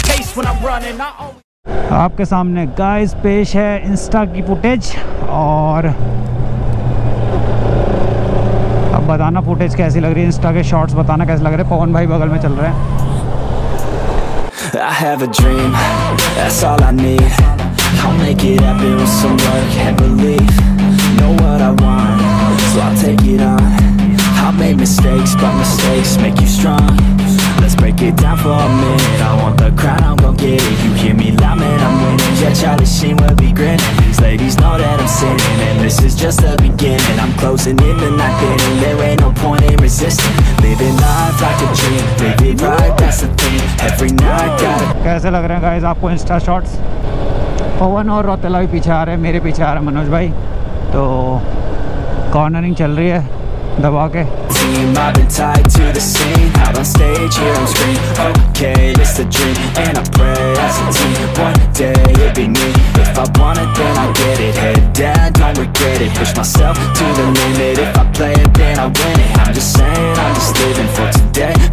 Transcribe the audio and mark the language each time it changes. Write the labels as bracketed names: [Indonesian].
[Hindi] आपके सामने गाइस पेश है इंस्टा की फुटेज, और अब बताना फुटेज कैसी लग रही है, इंस्टा के शॉर्ट्स बताना कैसे लग रहे हैं। पवन भाई बगल में चल रहे हैं। [English] I have a dream, that's all I need. I'll make it happen with some work and belief. Know what I want, so I'll take it on. I made mistakes, but mistakes make you strong. Let's break it down for a minute. I want the crown, I'm gon' get it. You hear me loud, man, I'm winning. Yeah, Charlie Sheen will be grinning. These ladies know that I'm sinning, and this is just the beginning. I'm closing in the night, getting there ain't no point in resisting. Living life like a dream, live it right, that's the thing. Every night, gotta... [Hindi] कैसे लग रहे हैं guys आपको Insta shorts? पवन और रौतेला भी पीछे आ रहे हैं, मेरे पीछे आ रहे हैं मनोज भाई। तो कॉर्नरिंग चल रही है दबा के। [English] Team, I've been tied to the scene. Out on stage, here on screen. Okay, this a dream. And I pray as a team. One day it'd be me. If I want it, then I get it. Head down, don't regret it. Push myself to the limit. If I play it, then I win it. I'm just saying, I'm just living for today.